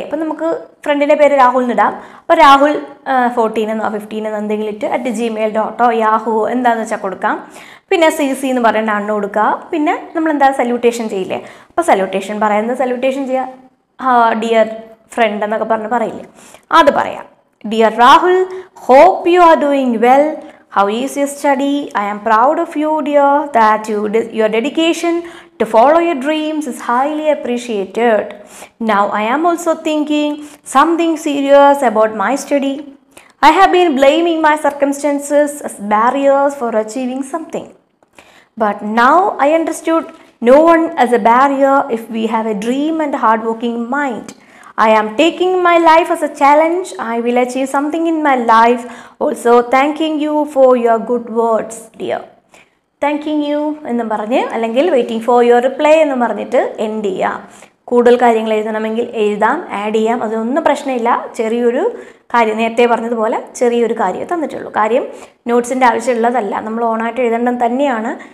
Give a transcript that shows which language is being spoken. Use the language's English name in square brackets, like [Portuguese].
[Malayalam] അപ്പം നമുക്ക് ഫ്രണ്ടിൻ്റെ പേര് രാഹുൽ എന്നിടാം. അപ്പോൾ രാഹുൽ 14 എന്നോ 15 എന്നോ എന്തെങ്കിലും ഇട്ട് @gmail.com യാഹുവോ എന്താണെന്ന് വെച്ചാൽ കൊടുക്കാം. പിന്നെ CC എന്ന് പറയേണ്ട അണ്ണ കൊടുക്കുക. പിന്നെ നമ്മളെന്താ സല്യൂട്ടേഷൻ ചെയ്യില്ലേ, അപ്പോൾ സല്യൂട്ടേഷൻ പറയുന്നത് സല്യൂട്ടേഷൻ ചെയ്യുക, ആ ഡിയർ ഫ്രണ്ട് എന്നൊക്കെ പറഞ്ഞ് പറയില്ലേ, അത് പറയാം. [English] Dear Rahul, hope you are doing well. How is your study? I am proud of you, dear, that your dedication to follow your dreams is highly appreciated. Now, I am also thinking something serious about my study. I have been blaming my circumstances as barriers for achieving something. But now I understood no one as a barrier if we have a dream and a hardworking mind. I am taking my life as a challenge. I will achieve something in my life. Also, thanking you for your good words, dear. Thanking you [Malayalam] എന്ന് പറഞ്ഞ് അല്ലെങ്കിൽ [English] waiting for your reply [Malayalam] എന്ന് പറഞ്ഞിട്ട് end ചെയ്യാം. കൂടുതൽ കാര്യങ്ങൾ എഴുതണമെങ്കിൽ എഴുതാം, ആഡ് ചെയ്യാം, അതൊന്നും പ്രശ്നമില്ല. ചെറിയൊരു കാര്യം, നേരത്തെ പറഞ്ഞതുപോലെ ചെറിയൊരു കാര്യം തന്നിട്ടുള്ളൂ. കാര്യം നോട്ട്സിൻ്റെ ആവശ്യമുള്ളതല്ല, നമ്മൾ ഓണായിട്ട് എഴുതേണ്ടത് തന്നെയാണ്.